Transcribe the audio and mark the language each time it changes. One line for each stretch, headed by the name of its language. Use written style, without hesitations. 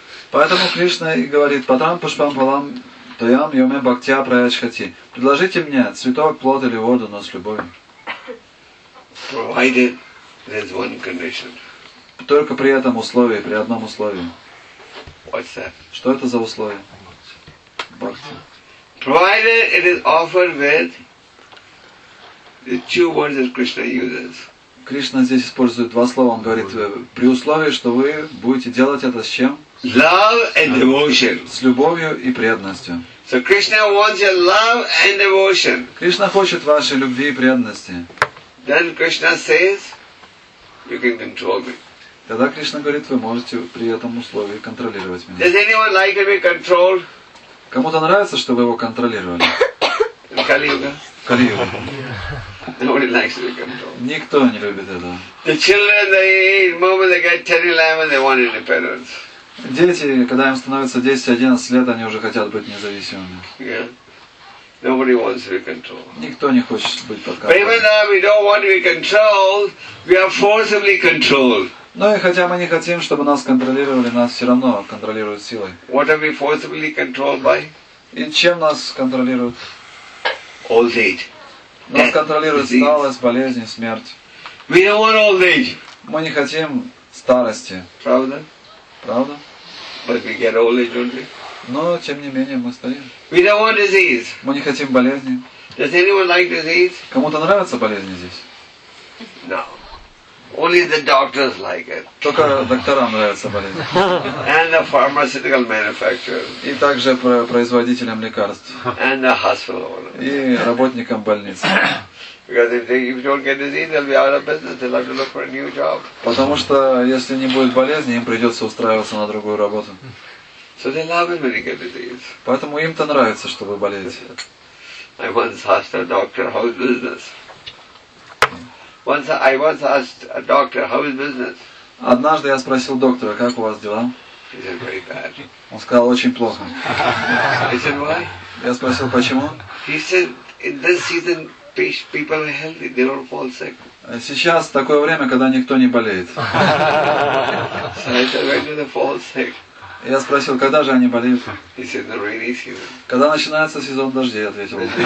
Russian: Поэтому Кришна и говорит:
Sanskrit: «Патам пушпам палам тоям йоме бхактия праячхати».
Russian: Предложите мне цветок, плод или воду, но с любовью.
English: Provided there's one condition.
Russian: Только при этом условии, при одном условии.
English: What's that?
Russian: Что это за условие? Бхакти.
English: Provided it is offered with the two words that Krishna uses.
Russian: Кришна здесь использует два слова. Он говорит: при условии, что вы будете делать это с чем?
English: Love and devotion.
Russian: С любовью и преданностью.
English: So Krishna wants your love and devotion.
Russian: Кришна хочет вашей любви и преданности.
English: Then Krishna says, you can control me.
Russian: Тогда Кришна говорит: вы можете при этом условии контролировать меня.
English: Does anyone like to be controlled?
Russian: Кому-то нравится, чтобы его контролировали? Кали-юга. Кали-юга.
English: Nobody likes to be controlled.
Russian: Никто не любит этого.
English: The children, they eat, the moment they get 10-11, they want independence.
Russian: Дети, когда им становится 10-11 лет, они уже хотят быть независимыми.
English: Yeah. Nobody wants to be controlled.
Russian: Никто не хочет быть под контролем.
English: But even though we don't want to be controlled, we are forcibly controlled.
Russian: Ну и хотя мы не хотим, чтобы нас контролировали, нас все равно контролируют силой.
English: What are we forcibly controlled by?
Russian: И чем нас контролируют?
English: Old age.
Russian: Нас контролирует старость, болезнь, смерть.
English: We don't want old age.
Russian: Мы не хотим старости. Правда? Правда?
English: But we get old age, don't we?
Russian: Но тем не менее мы стоим.
English: We don't want disease.
Russian: Мы не хотим болезни.
English: Does anyone like disease?
Russian: Кому-то нравятся болезни здесь?
English: No. Only the doctors like it.
Russian: Только докторам нравятся болезни.
English: And the pharmaceutical manufacturers.
Russian: И также производителям лекарств.
English: And the hospital owners.
Russian: И работникам больниц.
English: Because if you don't get disease, they'll be out of business. They'll have to look for a new job.
Russian: Потому что если не будет болезни, им придется устраиваться на другую работу.
English: So they love it when they get disease.
Russian: Поэтому им-то нравится, чтобы болеть.
English: I once asked a doctor how his business. Once I once asked a doctor how is business.
Russian: Однажды я спросил доктора, как у вас дела?
English: He said very bad.
Russian: Он сказал: очень плохо.
English: I said why?
Russian: Я спросил: почему?
English: He said in this season people are healthy, they don't fall sick.
Russian: Сейчас такое время, когда никто не болеет.
English: So I said when do they fall sick?
Russian: Я спросил: когда же они болеют?
English: He said the rainy season.
Russian: Когда начинается сезон дождей, ответил.